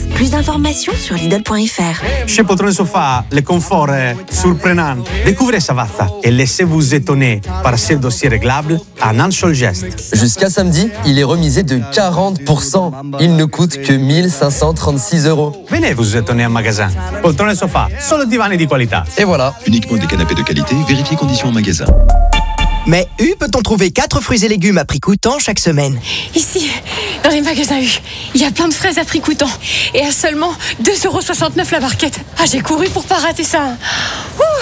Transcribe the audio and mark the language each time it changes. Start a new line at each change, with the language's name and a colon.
French: Plus d'informations sur Lidl.fr. Chez Poltrone Sofa, le confort est surprenant. Découvrez Savazza et laissez-vous étonner par ses dossiers réglables en un seul geste. Jusqu'à samedi, il est remisé de 40%. Il ne coûte que 1536€. Venez vous étonner en magasin.
Italian: Poltrone Sofa, solo divan di qualità.
French: Et voilà. Uniquement des canapés de qualité, vérifiez conditions. Magasin. Mais U, peut-on trouver 4 fruits et légumes à prix coûtant chaque semaine? Ici, dans les magasins U, il y a plein de fraises à prix coûtant et à seulement 2,69€ la barquette. Ah, j'ai couru pour pas rater ça. Ouh.